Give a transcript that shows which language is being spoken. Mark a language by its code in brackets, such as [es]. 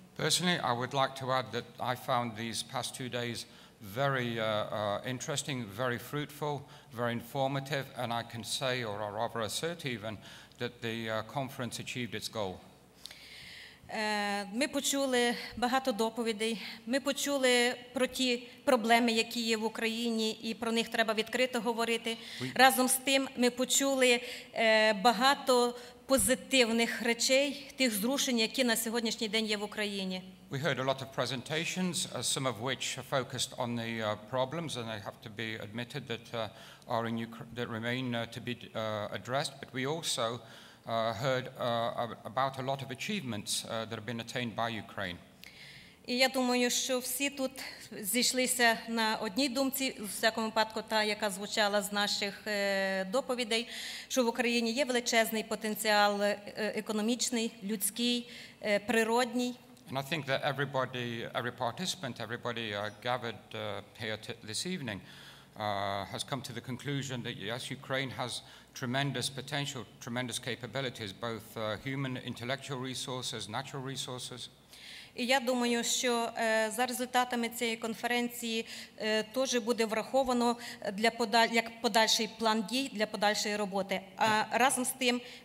[en] Personally, I would like to add that I found these past two days very interesting, very fruitful, very informative, and I can say, or rather assert even, that the conference achieved its goal. [uk] Ми почули багато доповідей, ми почули про ті проблеми, які є в Україні, і про них треба відкрито говорити. Разом з тим, ми почули багато позитивних речей, тих зрушень, які на сьогоднішній день є в Україні. [en] We heard a lot of presentations, some of which are focused on the problems, and they have to be admitted that are in that remain to be addressed. But we also heard about a lot of achievements that have been attained by Ukraine. [uk] І я думаю, що всі тут зійшлися на одній думці, в всякому випадку та, яка звучала з наших доповідей, що в Україні є величезний потенціал економічний, людський, природній. [en] And I think that everybody, every participant, everybody gathered here this evening has come to the conclusion that, yes, Ukraine has tremendous potential, tremendous capabilities, both human intellectual resources, natural resources. [uk] І я думаю, що за результатами цієї конференції теж буде враховано для як подальший план дій для подальшої роботи. А разом з тим...